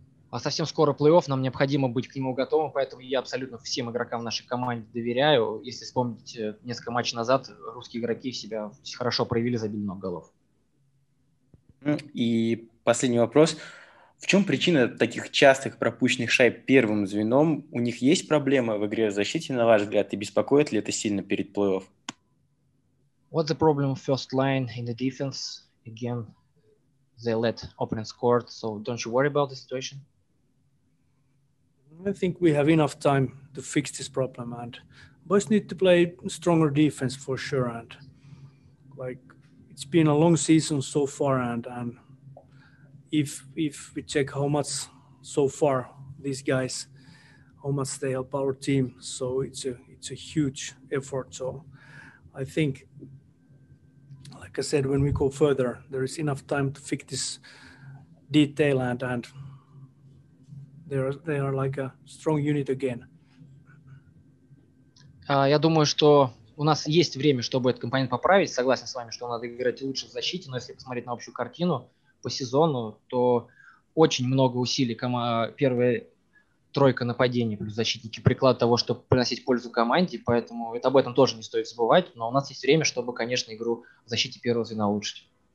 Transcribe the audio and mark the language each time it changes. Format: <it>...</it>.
<ru>А совсем скоро плей-офф, нам необходимо быть к нему готовым, поэтому я абсолютно всем игрокам нашей команды доверяю. Если вспомнить несколько матчей назад, русские игроки себя хорошо проявили, забили много голов. И последний вопрос. В чем причина таких частых пропущенных шайб первым звеном? У них есть проблемы в игре в защите, на ваш взгляд, и беспокоит ли это сильно перед плей-офф?</ru> <en>What's the problem first line in the defense? Again, they let opponents score, so don't you worry about the situation? I think we have enough time to fix this problem, and boys need to play stronger defense for sure. And like, it's been a long season so far, and if we check how much so far these guys, how much they help our team, so it's a huge effort. So I think, like I said, when we go further, there is enough time to fix this detail, and They are like a strong unit again.</en> <ru>Я думаю, что у нас есть время, чтобы этот компонент поправить. Согласен с вами, что надо играть лучше в защите, но если посмотреть на общую картину по сезону, то очень много усилий первая тройка нападений плюс защитники приклад того, чтобы приносить пользу команде, поэтому это об этом тоже не стоит забывать, но у нас есть время, чтобы, конечно, игру в защите первого звена улучшить.</ru>